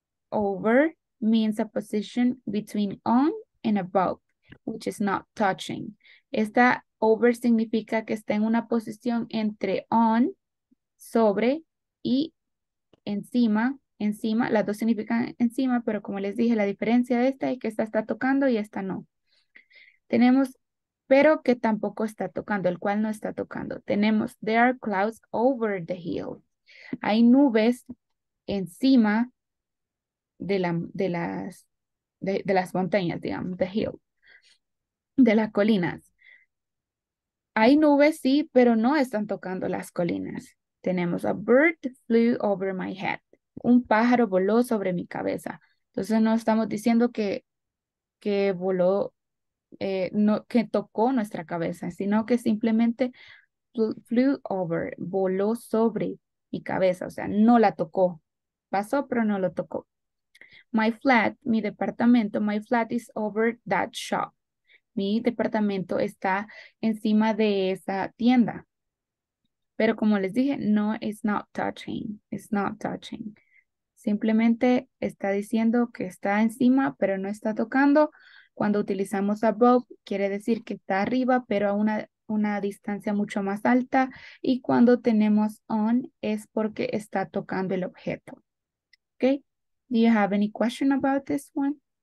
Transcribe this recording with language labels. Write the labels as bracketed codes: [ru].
[en] Over means a position between on and above, which is not touching. [es] Esta over significa que está en una posición entre on, sobre, y encima, las dos significan encima, pero como les dije, la diferencia de esta es que esta está tocando y esta no. Tenemos pero que tampoco está tocando, el cual no está tocando. Tenemos, [en] there are clouds over the hill. [es] Hay nubes encima de, las montañas, digamos, the hill, de las colinas. Hay nubes, sí, pero no están tocando las colinas. Tenemos, [en] a bird flew over my head. [es] Un pájaro voló sobre mi cabeza. Entonces, no estamos diciendo que, voló, no, que tocó nuestra cabeza, sino que simplemente [en] flew over, [es] voló sobre mi cabeza. O sea, no la tocó. Pasó, pero no lo tocó. [en] My flat, [es] mi departamento, [en] my flat is over that shop. [es] Mi departamento está encima de esa tienda. Pero como les dije, no, [en] it's not touching. It's not touching. [es] Simplemente está diciendo que está encima, pero no está tocando. Cuando utilizamos above, quiere decir que está arriba, pero a una distancia mucho más alta. Y cuando tenemos on, es porque está tocando el objeto. [en] Okay. Do you have any question about this one?